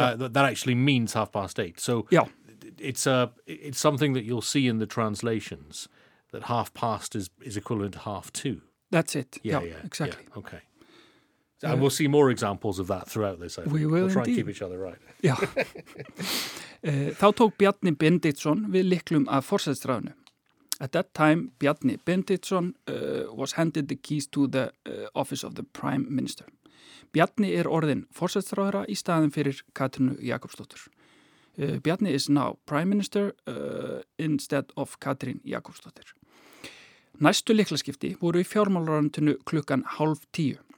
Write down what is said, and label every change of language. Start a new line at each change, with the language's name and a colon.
English: That actually means 8:30. So yeah. It's something that you'll see in the translations, that 8:30 is equivalent to 2:30. That's it. Yeah, exactly. Yeah. Okay. And we'll see more examples of that throughout this, I think. We will, we'll try indeed. And keep each other right.
Icelandic: Já. Þá tók Bjarni Benditsson við lyklum af forsætisráðinu.
English: At that time, Bjarni Benditsson was handed the keys to the office of the prime minister.
Icelandic: Bjarni orðinn forsætisráðherra í staðin fyrir Katrínu Jakobsdóttur.
English: Bjarni is now prime minister instead of Katrín Jakobsdóttir.
Icelandic: Næstu lyklaskipti voru í fjármálaráðuneytinu klukkan 9:30.